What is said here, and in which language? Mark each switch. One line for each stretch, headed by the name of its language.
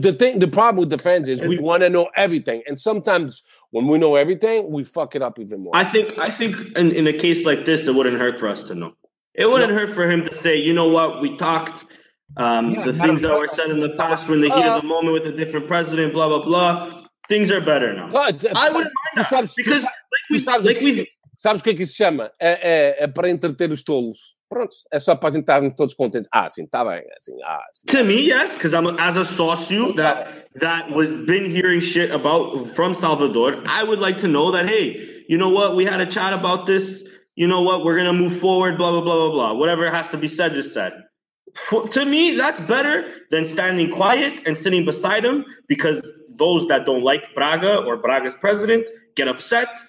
English: The problem with the fans is we want to know everything. And sometimes when we know everything, we fuck it up even more. I think in a case like this, it wouldn't hurt for us to know. It wouldn't hurt for him to say, you know what, we talked. The things that were said in the past were in the heat of the moment with a different president, blah, blah, blah. Things are better now. I wouldn't mind that.
Portuguese: Sabes o que é que isso se chama? É para entreter os tolos. Pronto. É só para a gente estar todos contentes. Ah, sim. Está bem. Assim,
English: to me, yes. Because I'm as a sócio that was been hearing shit about from Salvador, I would like to know that, hey, you know what? We had a chat about this. You know what? We're going to move forward. Blah, blah, blah, blah, blah. Whatever has to be said is said. To me, that's better than standing quiet and sitting beside him because those that don't like Braga or Braga's president get upset.